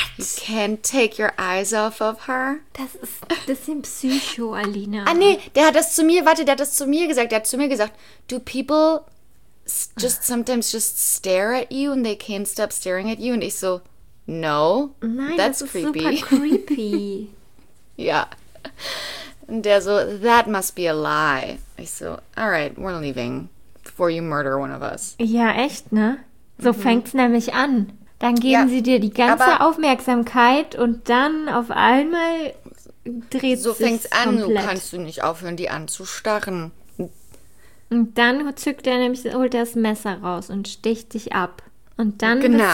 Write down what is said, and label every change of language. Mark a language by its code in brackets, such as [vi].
[en] You can't take your eyes off of her? [de] Das ist ein bisschen psycho, Alina. Ah, nee, der hat zu mir gesagt, [en] do people just sometimes just stare at you [de] and they can't stop staring at you? Und ich so, [en] no. [de] Nein, [en] that's creepy. [de] Das ist super creepy. Ja. Und der so, [en] that must be a lie. [de] Ich so, [en] all right, we're leaving before you murder one of us. [de] Ja, echt, ne? So fängt's nämlich an. Dann geben sie dir die ganze Aufmerksamkeit und dann auf einmal dreht sich's komplett. So fängt's an, komplett. Du kannst du nicht aufhören, die anzustarren. Und dann holt das Messer raus und sticht dich ab. Und dann genau.